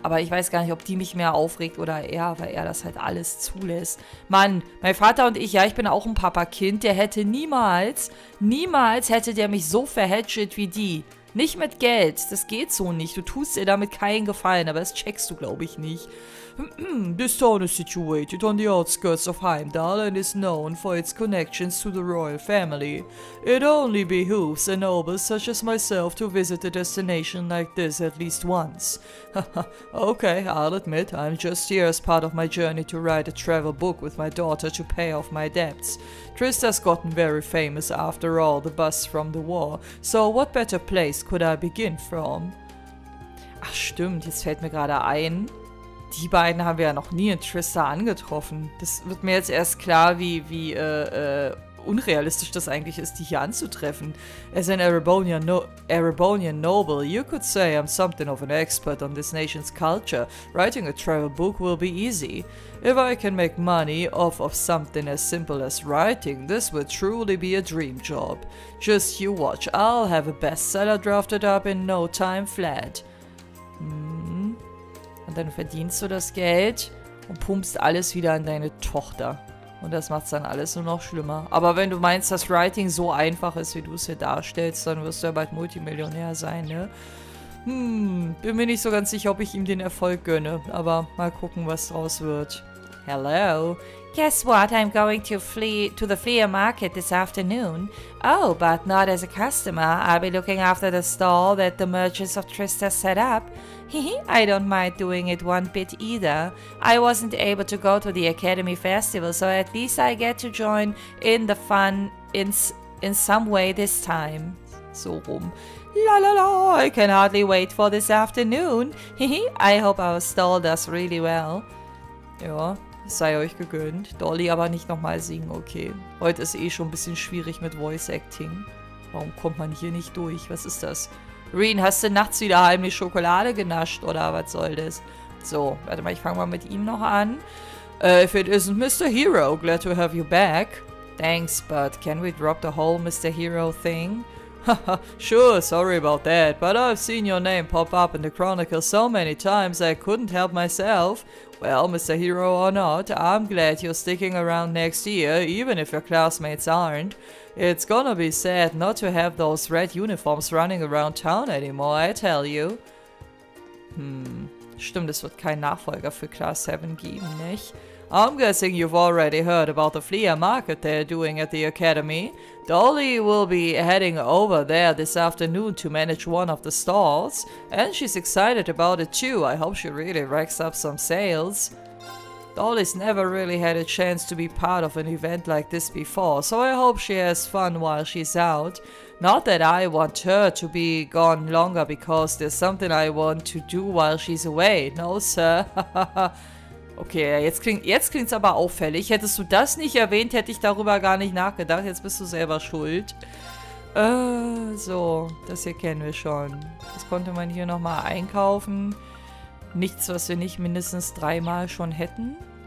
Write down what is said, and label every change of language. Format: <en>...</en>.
<de>Aber ich weiß gar nicht, ob die mich mehr aufregt oder er, weil er das halt alles zulässt. Mann, mein Vater und ich, ja, ich bin auch ein Papakind, der hätte niemals hätte der mich so verhätschelt wie die. Nicht mit Geld, das geht so nicht. Du tust dir damit keinen Gefallen, aber das checkst du, glaube ich, nicht.</de> <en>This town is situated on the outskirts of Heimdall and is known for its connections to the royal family. It only behooves a noble such as myself to visit a destination like this at least once. Okay, I'll admit, I'm just here as part of my journey to write a travel book with my daughter to pay off my debts. Trista's gotten very famous after all the busts from the war, so what better place could I begin from?</en> <de>Ach stimmt, jetzt fällt mir gerade ein. Die beiden haben wir ja noch nie in Trista angetroffen. Das wird mir jetzt erst klar, wie unrealistisch das eigentlich ist, die hier anzutreffen.</de> <en>As an Erebonian noble, you could say I'm something of an expert on this nation's culture. Writing a travel book will be easy. If I can make money off of something as simple as writing, this will truly be a dream job. Just you watch, I'll have a bestseller drafted up in no time flat.</en> <de>Und dann verdienst du das Geld und pumpst alles wieder an deine Tochter. Und das macht's dann alles nur noch schlimmer. Aber wenn du meinst, dass Writing so einfach ist, wie du es hier darstellst, dann wirst du ja bald Multimillionär sein, ne? Bin mir nicht so ganz sicher, ob ich ihm den Erfolg gönne. Aber mal gucken, was draus wird.</de> <en>Hello. Guess what? I'm going to the flea market this afternoon. Oh, but not as a customer. I'll be looking after the stall that the merchants of Trista set up. I don't mind doing it one bit either. I wasn't able to go to the Academy Festival, so at least I get to join in the fun in some way this time. So rum. La la la, I can hardly wait for this afternoon. I hope our stall does really well.</en> <de>Ja, sei euch gegönnt. Dolly aber nicht nochmal singen, okay. Heute ist eh schon ein bisschen schwierig mit Voice Acting. Warum kommt man hier nicht durch? Was ist das? Reen, hast du nachts wieder heimlich Schokolade genascht, oder was soll das? So, warte mal, ich fange mal mit ihm noch an.</de> <en>If it isn't Mr. Hero, glad to have you back. Thanks, but can we drop the whole Mr. Hero thing? Sure, sorry about that, but I've seen your name pop up in the Chronicle so many times I couldn't help myself. Well, Mr. Hero or not, I'm glad you're sticking around next year, even if your classmates aren't. It's gonna be sad not to have those red uniforms running around town anymore, I tell you.</en> <de>Stimmt, es wird keinen Nachfolger für Class 7 geben, nicht?</de> <en>I'm guessing you've already heard about the flea market they're doing at the academy. Dolly will be heading over there this afternoon to manage one of the stalls, and she's excited about it too. I hope she really racks up some sales. Dolly's never really had a chance to be part of an event like this before, so I hope she has fun while she's out. Not that I want her to be gone longer, because there's something I want to do while she's away, no sir?</en> <de>Okay, jetzt klingt's aber auffällig. Hättest du das nicht erwähnt, hätte ich darüber gar nicht nachgedacht. Jetzt bist du selber schuld. So, das hier kennen wir schon. Das konnte man hier nochmal einkaufen. Nichts, was wir nicht mindestens dreimal schon hätten.</de>